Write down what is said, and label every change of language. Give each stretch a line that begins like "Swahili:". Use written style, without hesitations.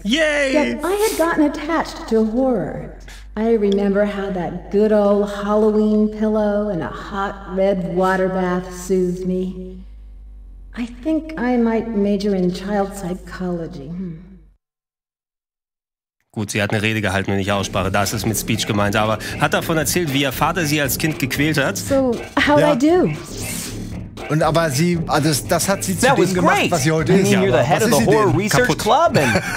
English: Yay! Yet I had gotten attached to horror. I remember how that good old Halloween pillow and a hot red water bath soothed me. I think I might major in child psychology.
German: Gut, sie hat eine Rede gehalten, wenn ich Aussprache. Da ist es mit Speech gemeint, aber hat davon erzählt, wie ihr Vater sie als Kind gequält hat.
English: So, how'd I do?
German: Und aber sie, also das hat sie zu dem gemacht, was sie heute ist.
English: I mean, you're the head of the horror research club and